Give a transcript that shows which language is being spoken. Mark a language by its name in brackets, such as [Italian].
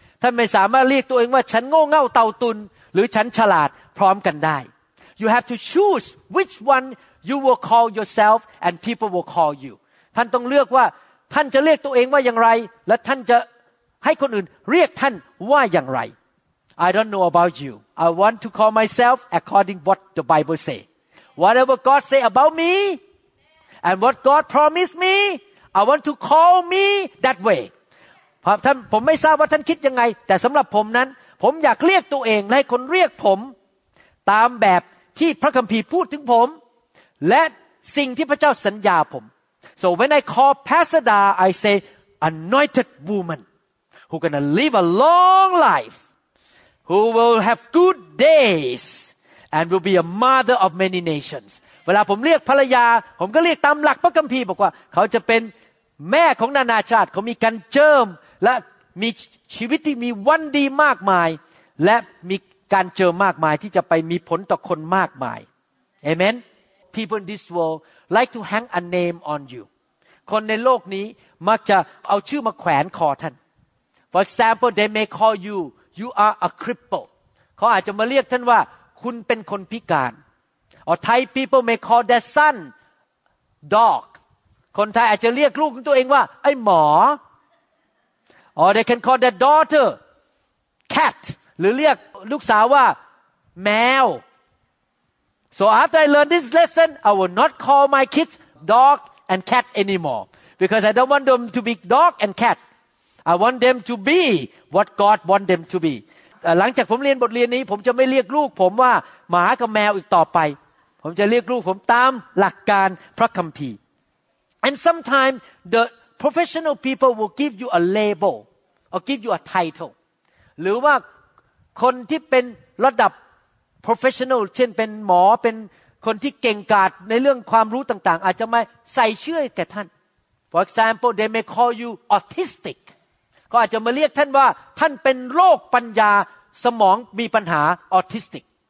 [Thai] ท่านไม่สามารถเรียกตัวเองว่าฉันโง่เง่าเต่าตุนหรือฉันฉลาดพร้อมกันได้ [English] You have to choose which one you will call yourself and people will call you. [Thai] ท่านต้องเลือกว่า ท่านจะเรียกตัวเองว่าอย่างไรและท่านจะให้คนอื่นเรียกท่านว่าอย่างไร [English] I don't know about you. I want to call myself according what the Bible say. Whatever God say about me and what God promised me, I want to call me that way. [Thai] ท่านผมไม่ทราบว่าท่านคิดยังไงแต่สำหรับผมนั้นผมอยากเรียกตัวเองและให้คนเรียกผมตามแบบที่พระคัมภีร์พูดถึงผมและสิ่งที่พระเจ้าสัญญาผม [English] So when I call Pastor Da, I say anointed woman who gonna live a long life, who will have good days, and will be a mother of many nations. [Thai] เวลาผมเรียกภรรยาผมก็เรียกตามหลักพระคัมภีร์บอกว่าเขาจะเป็นแม่ของนานาชาติเขามีการเจิมและมีชีวิตที่มีวันดีมากมายและมีการเจิมมากมายที่จะไปมีผลต่อคนมากมายเอเมน [English] People in this world like to hang a name on you [Thai] คนในโลกนี้มักจะเอาชื่อมาแขวนคอท่าน [English] For example they may call you are a cripple [Thai] เขาอาจจะมาเรียกท่านว่าคุณเป็นคนพิการ [English] Or Thai people may call their son dog [Thai] คนไทยอาจจะเรียกลูกของตัวเองว่าไอ้หมอ [English] Or they can call their daughter cat [Thai] หรือเรียกลูกสาวว่าแมว [English] So after I learned this lesson I will not call my kids dog and cat anymore because I don't want them to be dog and cat I want them to be what God want them to be [Thai] หลังจากผมเรียนบทเรียนนี้ผมจะไม่เรียกลูกผมว่าหมากับแมวอีกต่อไปผมจะเรียกลูกผมตามหลักการพระคัมภีร์ [English] And sometimes the professional people will give you a label or give you a title. [Thai] หรือว่าคนที่เป็นระดับ professional เช่นเป็นหมอเป็นคนที่เก่งกาจในเรื่องความรู้ต่างๆอาจจะมาใส่ชื่อแก่ท่าน [English] For example, they may call you autistic. [Thai] เขาอาจจะมาเรียกท่านว่าท่านเป็นโรคปัญญาสมองมีปัญหา autistic.